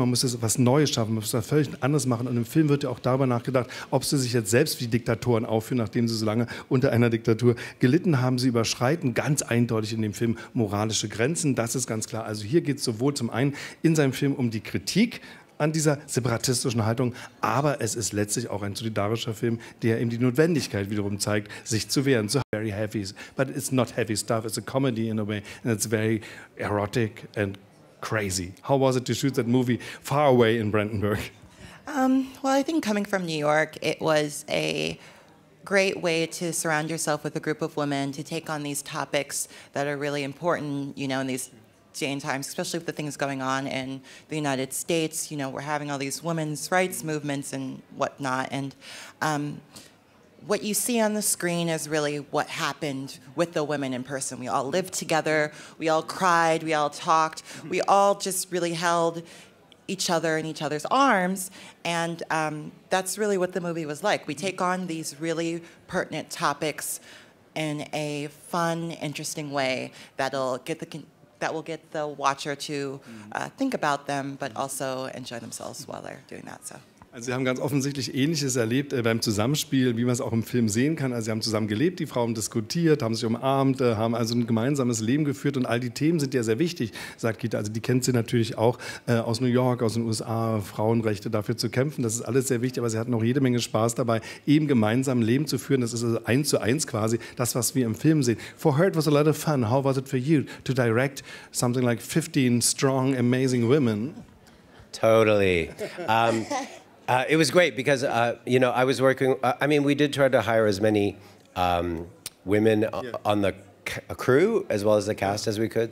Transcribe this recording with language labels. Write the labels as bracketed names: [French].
[German] Man muss jetzt was Neues schaffen, man muss das völlig anders machen. Und im Film wird ja auch darüber nachgedacht, ob sie sich jetzt selbst wie Diktatoren aufführen, nachdem sie so lange unter einer Diktatur gelitten haben. Sie überschreiten ganz eindeutig in dem Film moralische Grenzen, das ist ganz klar. Also hier geht es sowohl zum einen in seinem Film um die Kritik an dieser separatistischen Haltung, aber es ist letztlich auch ein solidarischer Film, der eben die Notwendigkeit wiederum zeigt, sich zu wehren. [English] So very heavy, but it's not heavy stuff, it's a comedy in a way, and it's very erotic and crazy. How was it to shoot that movie far away in Brandenburg? Well, I think coming from New York, it was a great way to surround yourself with a group of women to take on these topics that are really important, you know, in these day and times, especially with the things going on in the United States. You know, we're having all these women's rights movements and whatnot. And what you see on the screen is really what happened with the women in person. We all lived together, we all cried, we all talked, we all just really held each other in each other's arms, and that's really what the movie was like. We take on these really pertinent topics in a fun, interesting way that will get the watcher to think about them, but also enjoy themselves while they're doing that, so. [German] Also sie haben ganz offensichtlich Ähnliches erlebt beim Zusammenspiel, wie man es auch im Film sehen kann. Also sie haben zusammen gelebt, die Frauen diskutiert, haben sich umarmt, haben also ein gemeinsames Leben geführt, und all die Themen sind ja sehr wichtig, sagt Gita. Also die kennt sie natürlich auch aus New York, aus den USA, Frauenrechte dafür zu kämpfen, das ist alles sehr wichtig, aber sie hatten auch jede Menge Spaß dabei, eben gemeinsam ein Leben zu führen. Das ist also 1:1 quasi das, was wir im Film sehen. [English] For her it was a lot of fun. How was it for you to direct something like 15 strong, amazing women? Totally. It was great because, you know, I was working, I mean, we did try to hire as many women on the crew as well as the cast as we could.